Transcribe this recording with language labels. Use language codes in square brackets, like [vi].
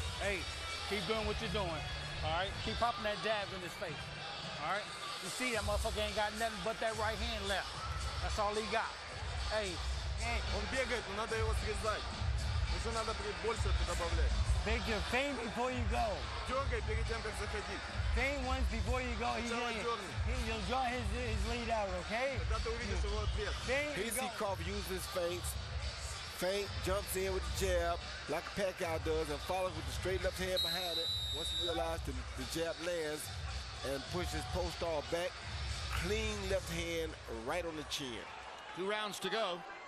[en] Hey, keep doing what you're doing, all right? Keep popping that jab in his face, all right? You see, that motherfucker ain't got nothing but that right hand left. That's all he got. Hey, hey. [ru] Он бегает, но надо его срезать. Еще надо больше добавлять. [en] Victor, faint before you go. [ru] Дергай перед тем, как заходить. [en] Faint once before you go. He'll draw his lead out, okay? [ru] Когда ты увидишь его ответ. [en] Faint, you go. Easy cough, use his feints. Faint, jumps in with the jab, like Pacquiao does, and follows with the straight left hand behind it. Once he realized the jab lands, and pushes Postol back, clean left hand right on the chin. Two rounds to go.